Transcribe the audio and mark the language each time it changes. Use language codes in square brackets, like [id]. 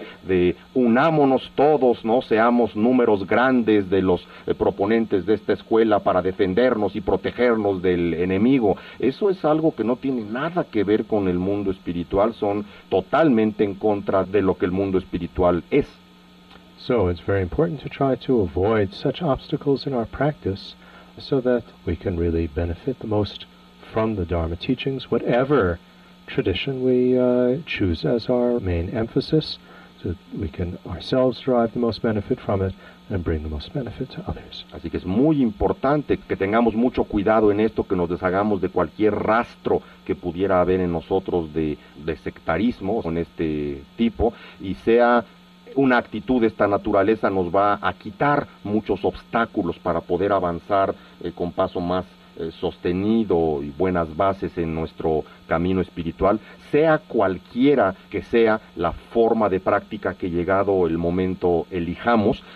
[es] De unámonos todos, ¿no? Seamos números grandes de los proponentes de esta escuela para defendernos y protegernos del enemigo. Eso es algo que no tiene nada que ver con el mundo espiritual, son totalmente en contra de lo que el mundo espiritual es. [en] So it's very important to try to avoid such obstacles in our practice so that we can really benefit the most from the Dharma teachings, whatever tradition we choose as our main emphasis, so that we can ourselves derive the most benefit from it and bring the most benefit to others. [es] Así que es muy importante que tengamos mucho cuidado en esto, que nos deshagamos de cualquier rastro que pudiera haber en nosotros de sectarismo con este tipo, y sea una actitud de esta naturaleza nos va a quitar muchos obstáculos para poder avanzar con paso más sostenido y buenas bases en nuestro camino espiritual, sea cualquiera que sea la forma de práctica que llegado el momento elijamos.